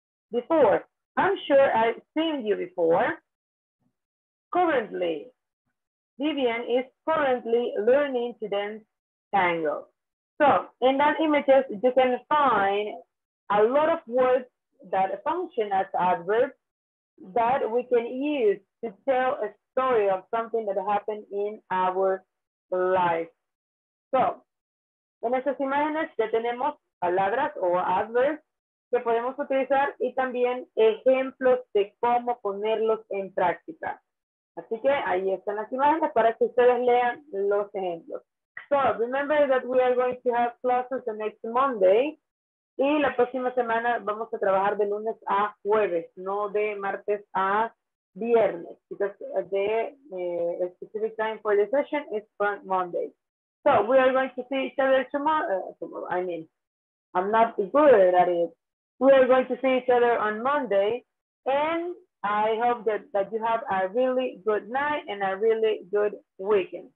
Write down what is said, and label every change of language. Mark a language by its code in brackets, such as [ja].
[en] Before, I'm sure I've seen you before. Currently, Vivian is currently learning to dance tango. So in that images, you can find a lot of words that function as adverbs that we can use to tell a story of something that happened in our life. [es] So, en esas imágenes ya tenemos palabras o adverbs que podemos utilizar y también ejemplos de cómo ponerlos en práctica. Así que ahí están las imágenes para que ustedes lean los ejemplos. [en] So, remember that we are going to have classes the next Monday. [es] Y la próxima semana vamos a trabajar de lunes a jueves, no de martes a viernes. [en] Because the specific time for the session is from Monday. So we are going to see each other tomorrow. I mean, I'm not good at it. We are going to see each other on Monday. And I hope that you have a really good night and a really good weekend.